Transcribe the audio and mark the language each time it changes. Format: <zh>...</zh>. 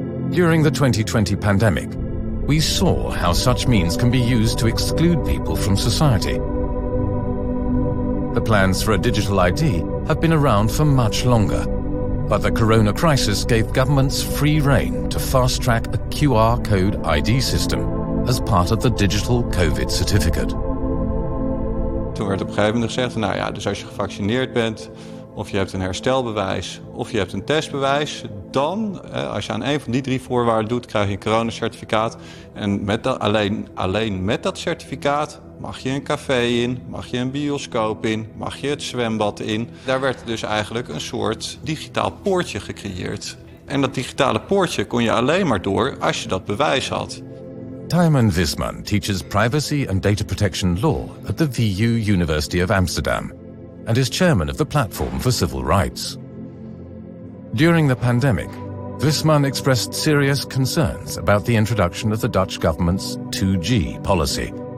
<en>During the 2020 pandemic, we saw how such means can be used to exclude people from society. The plans for a digital ID have been around for much longer, but the corona crisis gave governments free rein to fast-track a QR code ID system as part of the digital COVID certificate.</en> <nl>Toen werd op een gegeven moment gezegd, nou ja, dus als je gevaccineerd bent, of je hebt een herstelbewijs, of je hebt een testbewijs, dan, als je aan een van die drie voorwaarden doet, krijg je een coronacertificaat. En met dat, alleen met dat certificaat mag je een café in, mag je een bioscoop in, mag je het zwembad in. Daar werd dus eigenlijk een soort digitaal poortje gecreëerd. En dat digitale poortje kon je alleen maar door als je dat bewijs had.</nl> <en>Tijmen Wisman teaches privacy and data protection law at the VU University of Amsterdam and is chairman of the Platform for Civil Rights. During the pandemic, Wisman expressed serious concerns about the introduction of the Dutch government's 2G policy.</en>